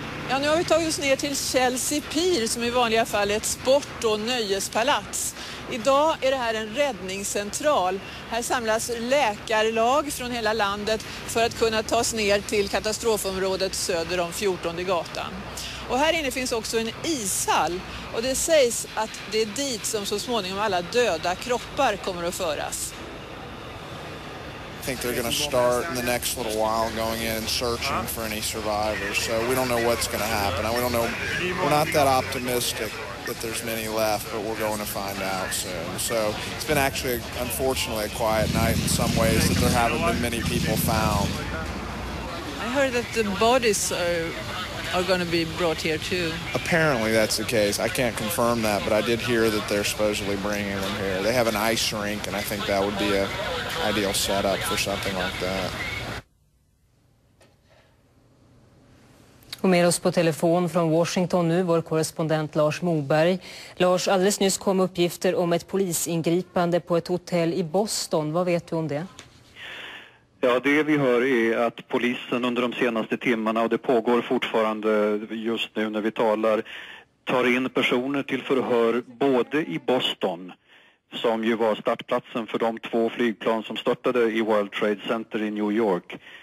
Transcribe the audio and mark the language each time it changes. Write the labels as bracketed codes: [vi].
[sv] Ja, nu har vi tagit oss ner till Chelsea Pier som i vanliga fall är ett sport- och nöjespalats. Idag är det här en räddningscentral. Här samlas läkarlag från hela landet för att kunna tas ner till katastrofområdet söder om 14:e gatan. Och här inne finns också en ishall och det sägs att det är dit som så småningom alla döda kroppar kommer att föras. [en] I think they're going to start in the next little while going in and searching for any survivors. So we don't know what's going to happen. We don't know. We're not that optimistic that there's many left, but we're going to find out soon. So it's been actually, unfortunately, a quiet night in some ways that there haven't been many people found. I heard that the bodies are going to be brought here too. Apparently that's the case. I can't confirm that, but I did hear that they're supposedly bringing them here. They have an ice rink, and I think that would be a ideal setup for something like that. [sv] Och med oss på telefon från Washington nu, vår korrespondent Lars Moberg. Lars, alldeles nyss kom uppgifter om ett polisingripande på ett hotell i Boston. Vad vet du om det? Ja, det vi hör är att polisen under de senaste timmarna, och det pågår fortfarande just nu när vi talar, tar in personer till förhör både i Boston, som ju var startplatsen för de två flygplan som störtade i World Trade Center i New York.